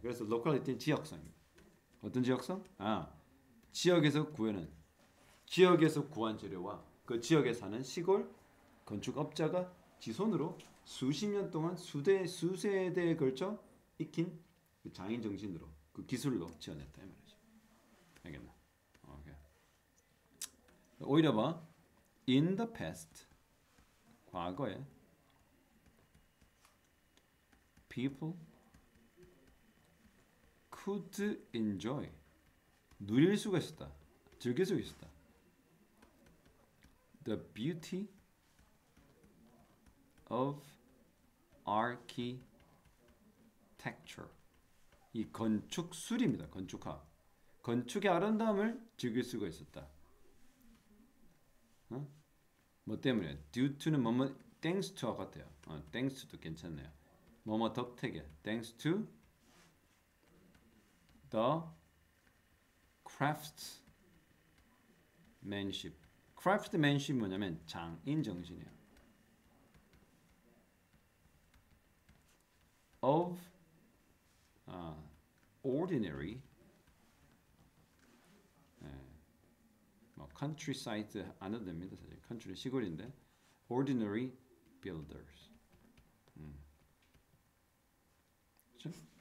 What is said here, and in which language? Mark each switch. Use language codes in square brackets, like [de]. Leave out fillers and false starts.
[ko] 그래서 로컬리티는 지역성입니다. 어떤 지역성? 아 지역에서 구해낸 지역에서 구한 재료와 그 지역에 사는 시골 건축업자가 지 손으로 수십 년 동안 수세대에 걸쳐 익힌 그 장인 정신으로 그 기술로 지어냈다 이 말이죠. 알겠나? 오케이. 오히려 봐. [en] In the past, [ko] 과거에 [en] people could enjoy [ko] 누릴 수가 있었다. 즐길 수 있었다. [en] The beauty of architecture. [ko] 이 건축술입니다. 건축학. 건축의 아름다움을 즐길 수가 있었다. 어? 뭐 때문에? Due to는 뭐뭐 thanks to와 같아요. 어, thanks to도 괜찮네요. 뭐뭐 덕택에 [en] thanks to the craftsmanship. [ko] craftsmanship 뭐냐면 장인 정신이에요. [en] of ordinary [ko] 네. 뭐 countryside 안 해도 됩니다. 사실 country 시골인데 [en] ordinary builders [ko] 그렇죠?